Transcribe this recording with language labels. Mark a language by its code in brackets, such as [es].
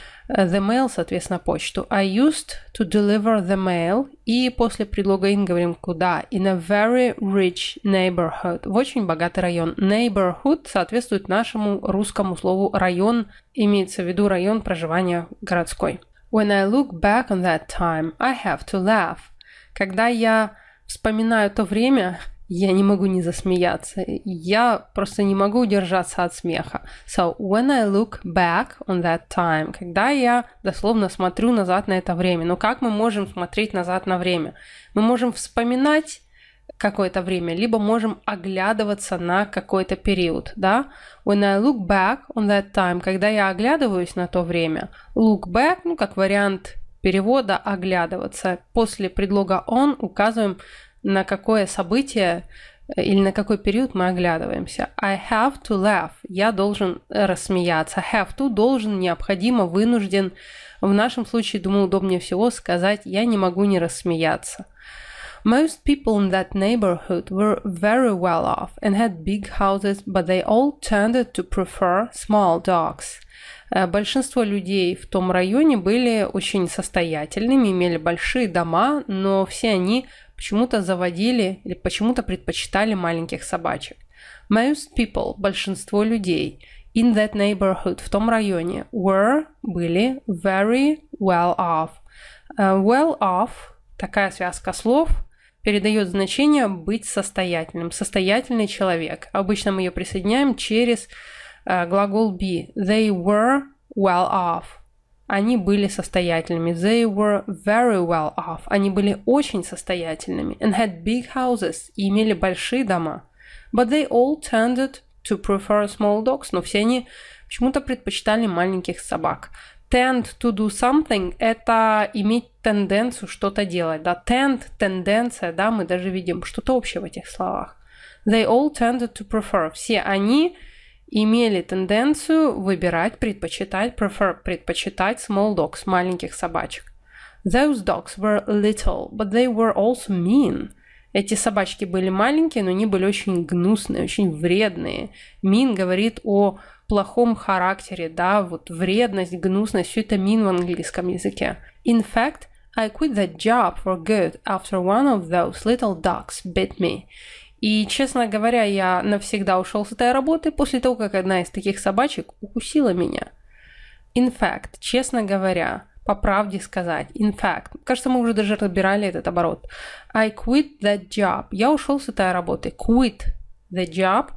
[en] The mail, [ru] соответственно, почту. [en] I used to deliver the mail. [ru] И после предлога in говорим «куда». [en] In a very rich neighborhood. [ru] В очень богатый район. Neighborhood соответствует нашему русскому слову «район». Имеется в виду район проживания городской. [en] When I look back on that time, I have to laugh. [ru] Когда я вспоминаю то время, я не могу не засмеяться. Я просто не могу удержаться от смеха. [en] So, when I look back on that time, [ru] когда я дословно смотрю назад на это время. Но как мы можем смотреть назад на время? Мы можем вспоминать какое-то время, либо можем оглядываться на какой-то период, да? [en] When I look back on that time, [ru] когда я оглядываюсь на то время, look back, ну, как вариант перевода, оглядываться. После предлога on указываем, на какое событие или на какой период мы оглядываемся. [en] I have to laugh. [ru] Я должен рассмеяться. Have to должен, необходимо, вынужден. В нашем случае, думаю, удобнее всего сказать, я не могу не рассмеяться. [en] Most people in that neighborhood were very well off and had big houses, but they all tended to prefer small dogs. [ru] Большинство людей в том районе были очень состоятельными, имели большие дома, но все они почему-то заводили или почему-то предпочитали маленьких собачек. [en] Most people, [ru] большинство людей, [en] in that neighborhood, [ru] в том районе, [en] were, [ru] были [en] very well off. [ru] Well off, такая связка слов, передает значение быть состоятельным, состоятельный человек. Обычно мы ее присоединяем через глагол be. [en] They were well off. [ru] Они были состоятельными. [en] They were very well off. [ru] Они были очень состоятельными. [en] And had big houses. [ru] И имели большие дома. [en] But they all tended to prefer small dogs. [ru] Но все они почему-то предпочитали маленьких собак. [en] Tend to do something [ru] – это иметь тенденцию что-то делать. Да? Tend – тенденция. Да, мы даже видим что-то общее в этих словах. [en] They all tended to prefer. [ru] Все они имели тенденцию выбирать, предпочитать, [en] prefer, предпочитать small dogs, [ru] маленьких собачек. [en] Those dogs were little, but they were also mean. [ru] Эти собачки были маленькие, но они были очень гнусные, очень вредные. Мин говорит о плохом характере, да, вот вредность, гнусность, все это мин в английском языке. [en] In fact, I quit that job for good after one of those little dogs bit me. [ru] И, честно говоря, я навсегда ушел с этой работы после того, как одна из таких собачек укусила меня. In fact, честно говоря, по правде сказать, in fact, кажется, мы уже даже разбирали этот оборот. [en] I quit that job. [ru] Я ушел с этой работы. [en] Quit the job.